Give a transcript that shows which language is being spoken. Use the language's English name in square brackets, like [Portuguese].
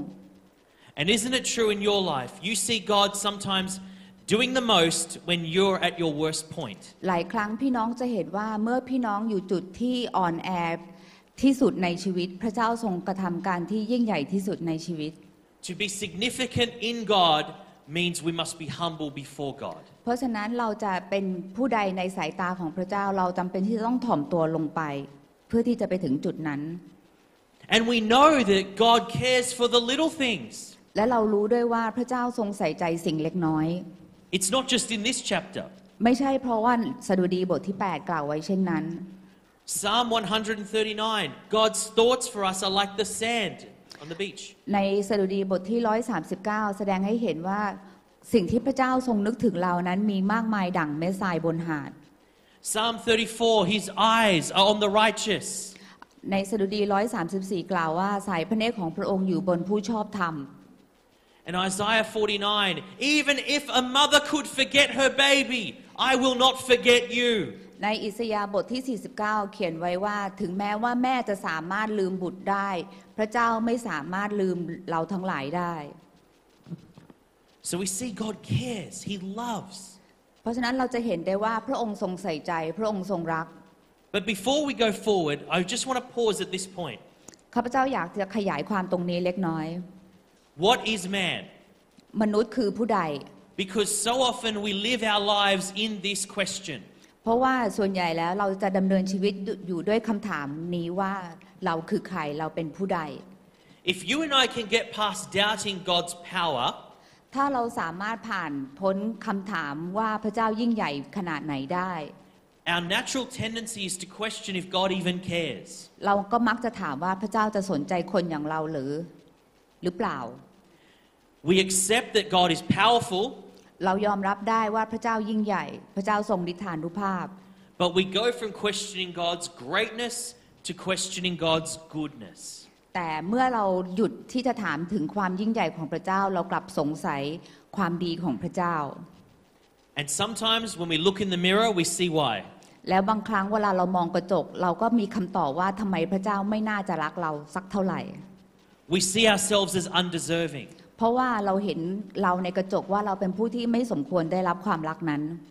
[English] And isn't it true in your life you see God sometimes doing the most when you're at your worst point? [Thai] หลายครั้งพี่น้องจะเห็นว่าเมื่อพี่น้องอยู่จุดที่อ่อนแอที่สุดในชีวิตพระเจ้าทรงกระทำการที่ยิ่งใหญ่ที่สุดในชีวิต [English] To be significant in Godmeans we must be humble before God. [Thai] เพราะฉะนั้นเราจะเป็นผู้ใดในสายตาของพระเจ้าเราจำเป็นที่จะต้องถ่อมตัวลงไปเพื่อที่จะไปถึงจุดนั้น [English] And we know that God cares for the little things. [Thai] และเรารู้ด้วยว่าพระเจ้าทรงใส่ใจสิ่งเล็กน้อย [English] It's not just in this chapter. [Thai] ไม่ใช่เพราะว่าสดุดีบทที่8กล่าวไว้เช่นนั้น [English] Psalm 139. God's thoughts for us are like the sand. On the beach. [Thai] ในสดุดีบทที่139แสดงให้เห็นว่าสิ่งที่พระเจ้าทรงนึกถึงเรานั้นมีมากมายดั่งเม็ดทรายบนหาด [English] Psalm 34 His eyes are on the righteous [Thai] ในสดุดี134กล่าวว่าสายพระเนตรของพระองค์อยู่บนผู้ชอบธรรม [English] And Isaiah 49, even if a mother could forget her baby, I will not forget you. [Thai] ในอิสยาห์บทที่49เขียนไว้ว่าถึงแม้ว่าแม่จะสามารถลืมบุตรได้พระเจ้าไม่สามารถลืมเราทั้งหลายได้ [English] So we see God cares, he loves. [Thai] เพราะฉะนั้นเราจะเห็นได้ว่าพระองค์ทรงใส่ใจพระองค์ทรงรัก [English] But before we go forward, I just want to pause at this point. [Thai] ข้าพเจ้าอยากจะขยายความตรงนี้เล็กน้อย [English] What is man? [Thai] มนุษย์คือผู้ใด [English] Because so often we live our lives in this question. [Thai] เพราะว่าส่วนใหญ่แล้วเราจะดำเนินชีวิตอยู่ด้วยคำถามนี้ว่าเราคือใครเราเป็นผู้ใด [English] If you and I can get past doubting God's power [Thai] ถ้าเราสามารถผ่านพ้นคำถามว่าพระเจ้ายิ่งใหญ่ขนาดไหนได้ [English] Our natural tendency is to question if God even cares [Thai] เราก็มักจะถามว่าพระเจ้าจะสนใจคนอย่างเราหรือเปล่า [English] We accept that God is powerful [Thai] เรายอมรับได้ว่าพระเจ้ายิ่งใหญ่พระเจ้าทรงฤทธานุภาพ [English] But we go from questioning God's greatness to questioning God's goodness [Thai] แต่เมื่อเราหยุดที่จะถามถึงความยิ่งใหญ่ของพระเจ้าเรากลับสงสัยความดีของพระเจ้า [English] And sometimes when we look in the mirror we see why [Thai] แล้วบางครั้งเวลาเรามองกระจกเราก็มีคำตอบว่าทำไมพระเจ้าไม่น่าจะรักเราสักเท่าไหร่ [English] We see ourselves as undeserving [Thai] เพราะว่าเราเห็นเราในกระจกว่าเราเป็นผู้ที่ไม่สมควรได้รับความรักนั้น